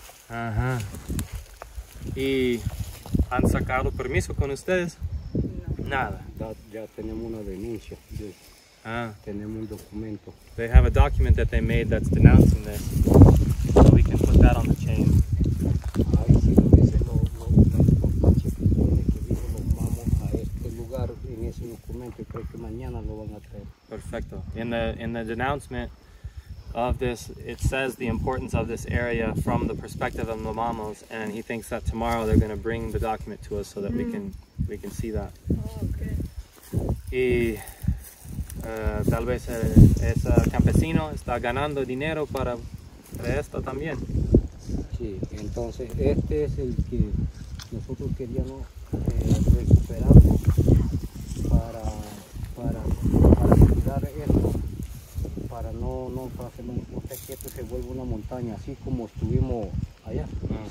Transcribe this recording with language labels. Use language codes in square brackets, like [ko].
[es] Uh-huh. ¿Y han sacado permiso con ustedes? Nada. Ya tenemos una denuncia. Ah. Tenemos un documento. [en] They have a document that they made that's denouncing this. So we can put that on the chain. [es] Ahí sí lo dice los compañeros que vienen, que dijo, nos vamos a este lugar en ese documento y creo que mañana lo van a traer. Perfecto. [en] In the denouncement of this, it says the importance of this area from the perspective of the mamos, and he thinks that tomorrow they're going to bring the document to us so that we can see that. Oh, okay. [es] Y tal vez ese campesino está ganando dinero para esto también. Sí, entonces este es el que nosotros queríamos recuperar para cuidar esto, para no hacer un monte que esto se vuelva una montaña, así como estuvimos allá. Uh-huh.